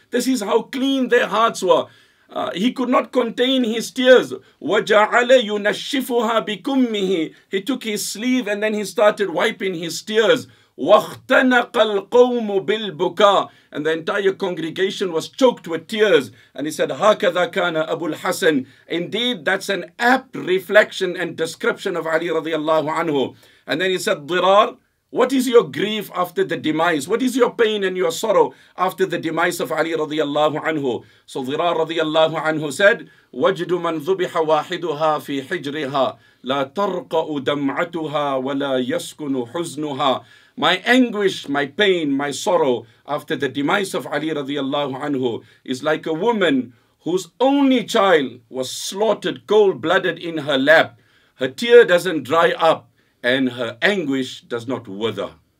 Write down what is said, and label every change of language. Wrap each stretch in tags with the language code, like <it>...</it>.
<en>This is how clean their hearts were. He could not contain his tears.</en> <ar>وَجَعَلَ يُنَشِّفُهَا بِكُمِّهِ.</ar> <en>He took his sleeve and then he started wiping his tears.</en> <ar>وَاخْتَنَقَ الْقَوْمُ بِالْبُكَى.</ar> <en>And the entire congregation was choked with tears. And he said,</en> <ar>هَكَذَا كَانَ أَبُو الْحَسَنِ.</ar> <en>Indeed, that's an apt reflection and description of Ali radiallahu anhu. And then he said, Dhirar, what is your grief after the demise? What is your pain and your sorrow after the demise of Ali radiallahu anhu? So Dhirar radiallahu anhu said,</en> <ar>وَجْدُ مَنْ ذُبِحَ وَاحِدُهَا فِي حِجْرِهَا لَا تَرْقَأُ دَمْعَتُهَا وَلَا يَسْكُنُ حُزْنُهَا.</ar> <en>My anguish, my pain, my sorrow after the demise of Ali radiallahu anhu is like a woman whose only child was slaughtered cold-blooded in her lap. Her tear doesn't dry up and her anguish does not wither.</en>